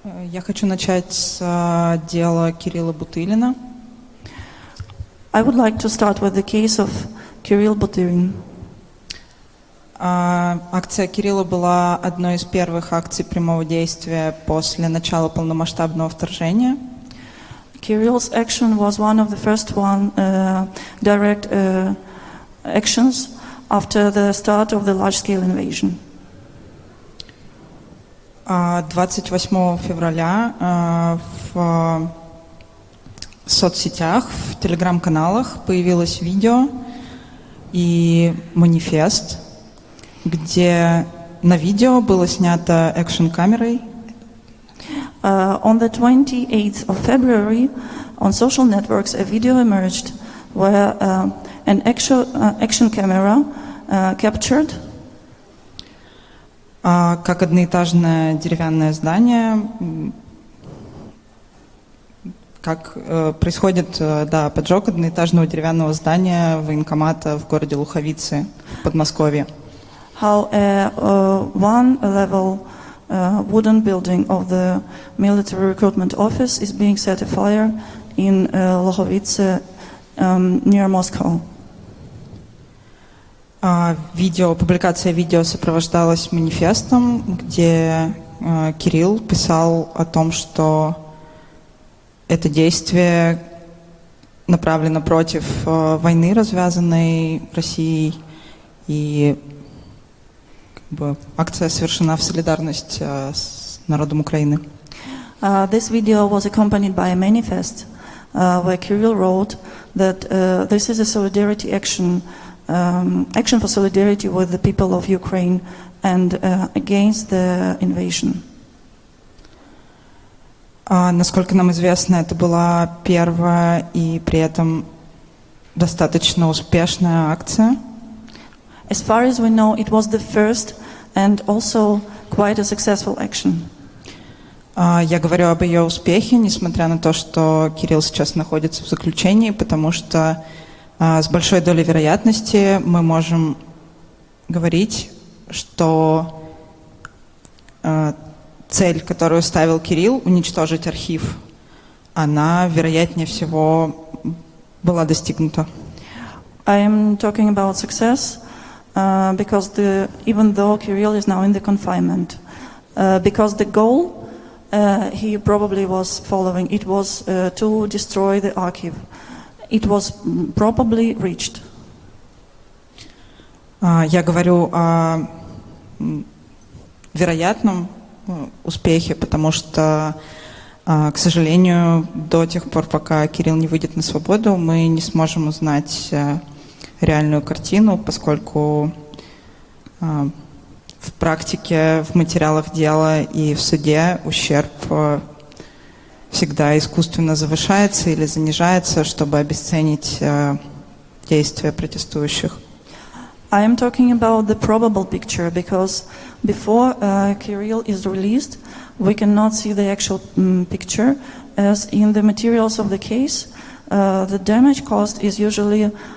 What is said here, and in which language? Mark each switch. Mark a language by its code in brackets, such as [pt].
[ru] Я хочу начать с дела Кирилла Бутылина. [en] I would like to start with the case of Kirill Butyrin. [ru] Акция Кирилла была одной из первых акций прямого действия после начала полномасштабного вторжения. [en] Kirill's action was one of the first one direct actions after the start of the large-scale invasion. [ru] 28 февраля в соцсетях, в телеграм-каналах появилось видео и манифест, где на видео было снято экшн-камерой. [en] On the 28th of February, on social networks, a video emerged where an action camera captured [ru] как одноэтажное деревянное здание, как происходит, да, поджог одноэтажного деревянного здания военкомата в городе Луховицы в Подмосковье. [en] How a one level wooden building of the military recruitment office is being set afire in Lohovice, near Moscow. [ru] Видео, публикация видео сопровождалась манифестом, где Кирилл писал о том, что это действие направлено против войны, развязанной Россией, и акция совершена в солидарность с народом Украины. [en] This video was accompanied by a manifest where Kirill wrote that this is a solidarity action, action for solidarity with the people of Ukraine and against the invasion. [ru] Насколько нам известно, это была первая и при этом достаточно успешная акция. [en] As far as we know, it was the first and also quite a successful action. [ru] Я говорю об ее успехе, несмотря на то, что Кирилл сейчас находится в заключении, потому что с большой долей вероятности мы можем говорить, что цель, которую ставил Кирилл, уничтожить архив, она, вероятнее всего, была достигнута. [en] I am talking about success, because the, even though Kirill is now in the confinement, because the goal he probably was following, it was to destroy the archive. It was probably reached. [ru] Я говорю о вероятном успехе, потому что, к сожалению, до тех пор, пока Кирилл не выйдет на свободу, мы не сможем узнать реальную картину, поскольку в практике, в материалах дела и в суде ущерб всегда искусственно завышается или занижается, чтобы обесценить действия протестующих. [en] I am talking about the probable picture because before Kirill is released, we cannot see the actual picture, as in the materials of the case, the damage caused is usually